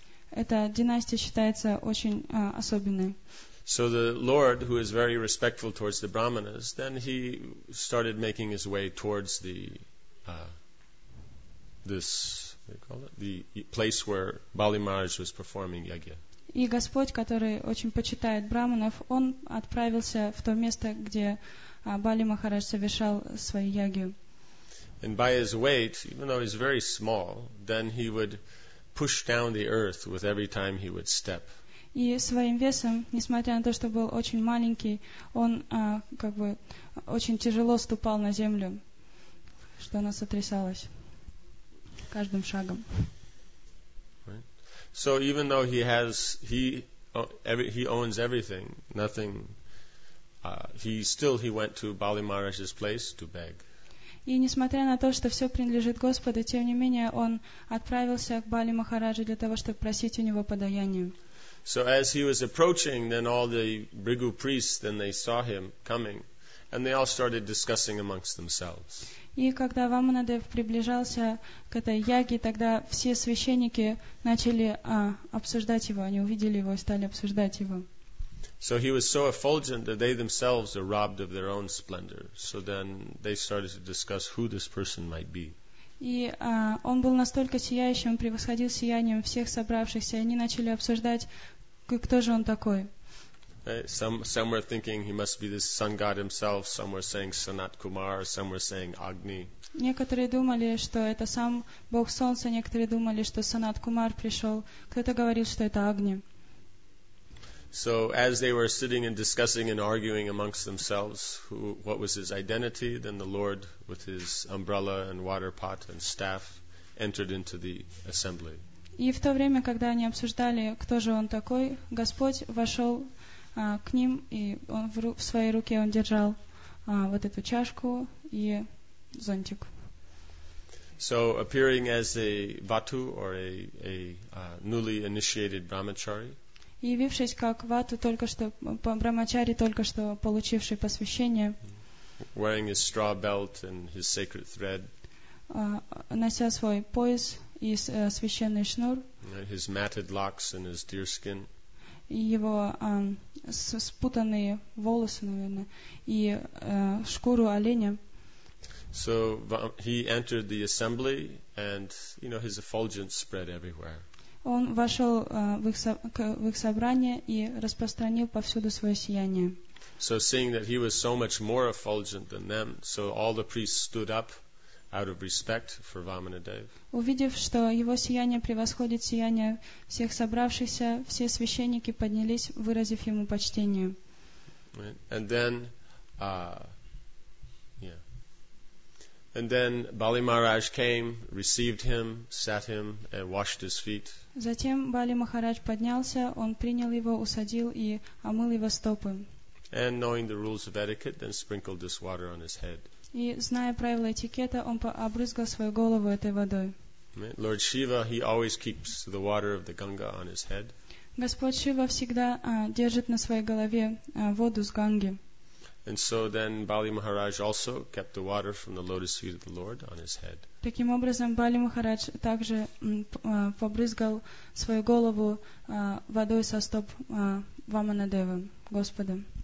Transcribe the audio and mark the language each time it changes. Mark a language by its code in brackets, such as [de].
[ru] Эта династия считается очень особенной. [en] So the Lord, who is very respectful towards the Brahmanas, then he started making his way towards the place where Bali Maharaj was performing yagya. [ru] И Господь, который очень почитает браманов, он отправился в то место, где Бали Махарадж совершал свою ягью. [en] And by his weight, even though he's very small, then he would push down the earth with every time he would step. [ru] И своим весом, несмотря на то, что был очень маленький, он как бы очень тяжело ступал на землю, что она сотрясалась каждым шагом. [en] So even though he owns everything, nothing, he went to Bali Maharaj's place to beg. [ru] И несмотря на то, что все принадлежит Господу, тем не менее он отправился к Бали Махараджу для того, чтобы просить у него подаяние. [en] So as he was approaching, then all the Bhrigu priests, then they saw him coming, and they all started discussing amongst themselves. [ru] И когда Ваманадев приближался к этой яге, тогда все священники начали обсуждать его. Они увидели его и стали обсуждать его. [en] So he was so effulgent that they themselves were robbed of their own splendor. So then they started to discuss who this person might be. [ru] И он был настолько сияющим, превосходил сиянием всех собравшихся, и они начали обсуждать, кто же он такой. [en] Some were thinking he must be the sun god himself. Some were saying Sanat Kumar. Some were saying Agni. [ru] Некоторые думали, что это сам Бог Солнца. Некоторые думали, что Санат Кумар пришел. Кто-то говорил, что это Агни. [en] So as they were sitting and discussing and arguing amongst themselves, what was his identity? Then the Lord, with his umbrella and water pot and staff, entered into the assembly. [ru] И в то время, когда они обсуждали, кто же он такой, Господь вошел к ним, и он в своей руке он держал вот эту чашку и зонтик. [en] So appearing as a vatu or a newly initiated brahmachari. [ru] И явившись как вату, только что брамачари, только что получивший посвящение. [en] Wearing his straw belt and his sacred thread. [ru] Нося свой пояс и священный шнур. [en] His matted locks and his deer skin. [ru] Его спутанные волосы, наверное, и шкуру оленя. [en] So he entered the assembly, and you know his effulgence spread everywhere. [ru] Он вошел в их собрание и распространил повсюду свое сияние. [en] So seeing that he was so much more effulgent than them, so all the priests stood up out of respect for Vamanadeva. [ru] Увидев, что его сияние превосходит сияние всех собравшихся, все священники поднялись, выразив ему почтение. [en] And then, And then Bali Maharaj came, received him, sat him, and washed his feet. [ru] Затем Бали Махарадж поднялся, он принял его, усадил и омыл его стопы. [en] And knowing the rules of etiquette, then sprinkled this water on his head. [ru] И зная правила этикета, он обрызгал свою голову этой водой. [en] Lord Shiva, he always keeps the water of the Ganga on his head. [ru] Господь Шива всегда держит на своей голове воду с Ганги. [en] And so then Bali Maharaj also kept the water from the lotus feet of the Lord on his head. [ru] Таким образом, Бали Махарадж также побрызгал свою голову водой со стоп Ваманадевы, Господа.